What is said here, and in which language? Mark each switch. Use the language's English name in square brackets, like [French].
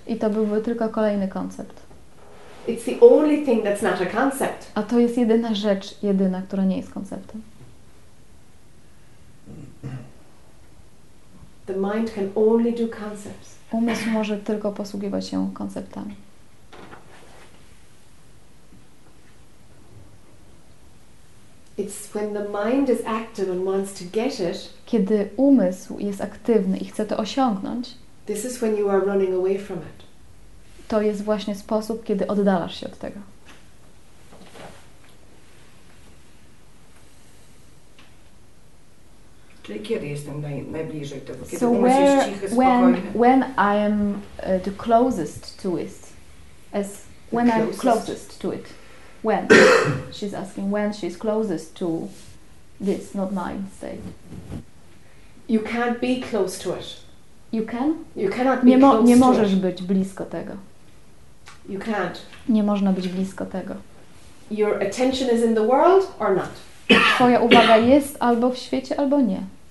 [Polish] I to byłby tylko kolejny koncept. [English] It's the only thing that's not a concept. [Polish] A to jest jedyna rzecz, jedyna, która nie jest konceptem. [English] The mind can only do concepts. [Polish] Umysł może tylko posługiwać się konceptami. [English] It's when the mind is active and wants to get it. [Polish] Kiedy umysł jest aktywny i chce to osiągnąć. [English] This is when you are running away from it. [Polish] To jest właśnie sposób, kiedy oddalasz się od tego. Czyli kiedy jestem najbliżej tego, kiedy [English] so [Polish] umysł [English] where, [Polish] jest cichy, spokojny. [English] When I am the closest to it, as when I'm closest to it. When she's asking when she's closest to this, not my state. You can't be close to it. You can? You cannot be close to it. [Polish] Nie możesz być blisko tego. [English] You can't. [Polish] Nie można być blisko tego. [English] Your attention is in the world or not. [Polish] Twoja uwaga jest albo w świecie, albo nie.